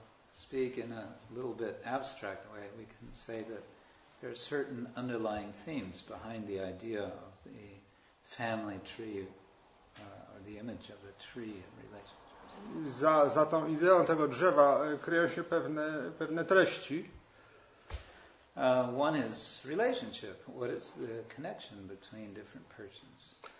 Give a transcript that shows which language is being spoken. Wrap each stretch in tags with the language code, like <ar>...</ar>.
<en>Speak in a little bit abstract way, we can say that there are certain underlying themes behind the idea of the family tree or the image of the tree in relationship.</en> <pl>Za tą ideą tego drzewa kryją się pewne treści.</pl> <en>One is relationship. What is the connection between different persons?</en>